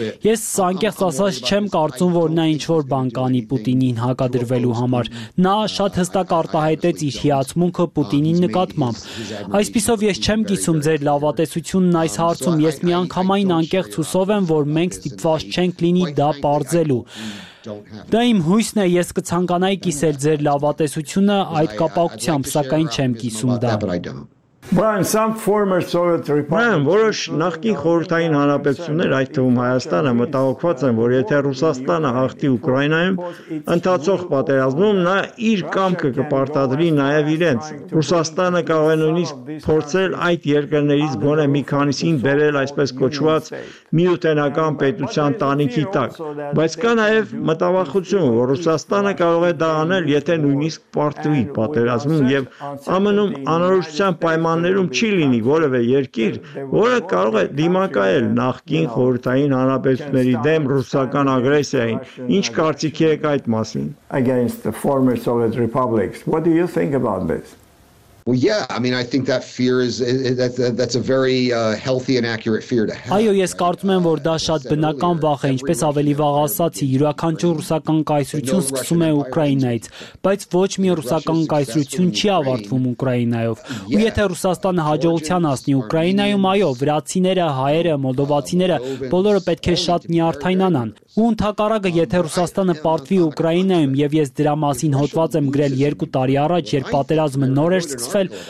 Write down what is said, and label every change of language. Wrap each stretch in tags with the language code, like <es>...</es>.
<hy>Ես անկեղծ ասած չեմ կարծում, որ նա ինչ-որ բան կանի Պուտինին հակադրվելու համար։ Նա շատ հստակ արտահայտեց իր հիացմունքը Պուտինի նկատմամբ։ Այսպիսով ես չեմ գիտում ձեր լավատեսությունն այս հարցում։ Ես միանգամայն անկեղծ հուսով եմ, որ մենք ստիպված չենք լինի դա պարզելու։ Դա իմ հույսն է, ես կցանկանայի կիսել ձեր լավատեսությունը այդ կապակցությամբ, սակայն չեմ կիսում դա։</hy> <en>Brian, some former Soviet Republic.</en> <hy>Որոշ նախկին խորհրդային հանրապետություններ, այդ թվում Հայաստանը, մտահոգված են, որ եթե Ռուսաստանը հաղթի Ուկրաինայում ընդհանցող պատերազմում, նա իր կամքը կպարտադրի նաև իրենց։ Ռուսաստանը կարող է նույնիսկ փորձել այդ երկրներից գոնե մի քանիսին բերել այսպես կոչված միութենական պետության տանիքի տակ, բայց կա նաև մտավախություն, որ Ռուսաստանը կարող է դա անել, եթե նույնիսկ պարտվի պատերազմում եւ ԱՄՆ-ում անորոշության պայմաններում չի լինի որևէ երկիր, որը կարող է դիմակայել նախկին խորհրդային հանրապետությունների դեմ ռուսական ագրեսիային։ Ինչ կարծիք եք այդ մասին։</hy> <en>Against the former Soviet republics. What do you think about this? Well, yeah, I mean, I think that fear is that's a very healthy and accurate fear to have.</en> <hy>Այո, ես կարծում եմ, որ դա շատ բնական վախ է, ինչպես ավելի վաղ ասացի, յուրաքանչյուր ռուսական կայսրություն սկսում է Ուկրաինայից, բայց ոչ մի ռուսական կայսրություն չի ավարտվում Ուկրաինայով։ Ու եթե Ռուսաստանը հաջողության հասնի Ուկրաինայում, այո, վրացիները, հայերը, մոլդովացիները, բոլորը պետք է շատ նյարդայնանան։ Ու ընդհակառակը, եթե Ռուսաստանը պարտվի Ուկրաինայում, եւ ես դրա մասին հոդված եմ գրել 2 տարի առաջ, երբ պատերազմը նոր էր սկսվել,</hy>